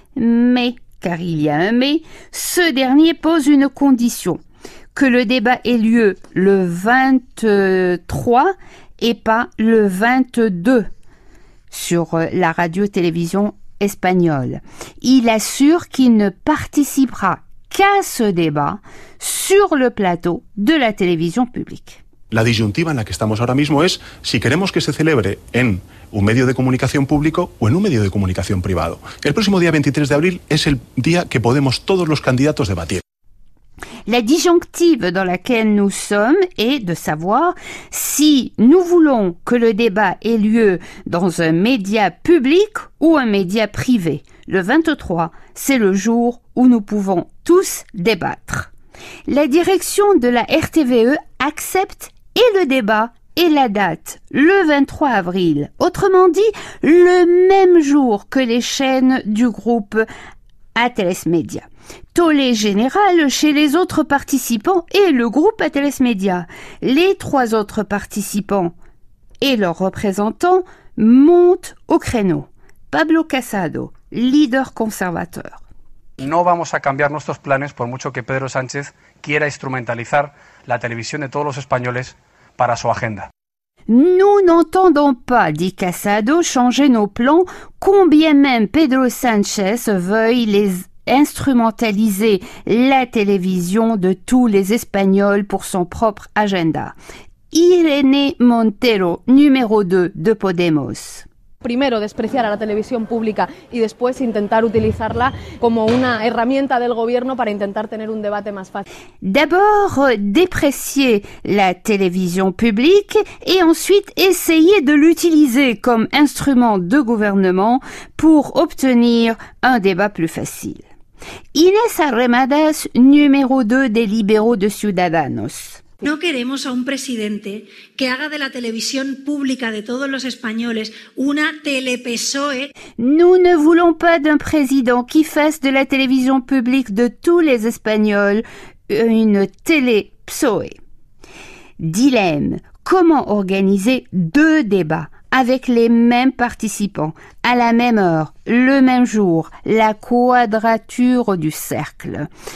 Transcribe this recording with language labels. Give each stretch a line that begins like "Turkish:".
French: Mais, car il y a un mais, ce dernier pose une condition, que le débat ait lieu le 23 et pas le 22. Sur la radio-télévision espagnole. Il assure qu'il ne participera qu'à ce débat sur le plateau de la télévision publique.
Spanish: La disyuntiva en la que estamos ahora mismo es si queremos que se celebre en un medio de comunicación público o en un medio de comunicación privado. El próximo día 23 de abril es el día que podemos todos los candidatos debatir.
French: La disjonctive dans laquelle nous sommes est de savoir si nous voulons que le débat ait lieu dans un média public ou un média privé. Le 23, c'est le jour où nous pouvons tous débattre. La direction de la RTVE accepte et le débat et la date, le 23 avril. Autrement dit, le même jour que les chaînes du groupe Atlas Media. Tollé général chez les autres participants et le groupe Atlas Media. Les trois autres participants et leurs représentants montent au créneau. Pablo Casado, leader conservateur.
Spanish: No vamos a cambiar nuestros planes por mucho que Pedro Sánchez quiera instrumentalizar la televisión de todos los españoles para su agenda.
French: Nous n'entendons pas, dit Casado, changer nos plans, combien même Pedro Sánchez veuille les instrumentaliser la télévision de tous les Espagnols pour son propre agenda. Irene Montero, numéro 2 de Podemos.
Spanish: Primero despreciar a la televisión pública y después intentar utilizarla como una herramienta del gobierno para intentar tener un debate más fácil.
French: D'abord déprécier la télévision publique et ensuite essayer de l'utiliser comme instrument de gouvernement pour obtenir un débat plus facile. Inés Arrimadas, numéro 2 des libéraux de Ciudadanos.
Spanish: No queremos a un presidente que haga de la televisión pública de todos los españoles una telepsoe.
French: Nous ne voulons pas d'un président qui fasse de la télévision publique de tous les Espagnols une telepsoe. Dilemme, comment organiser deux débats avec les mêmes participants, à la même heure, le même jour, la quadrature du cercle.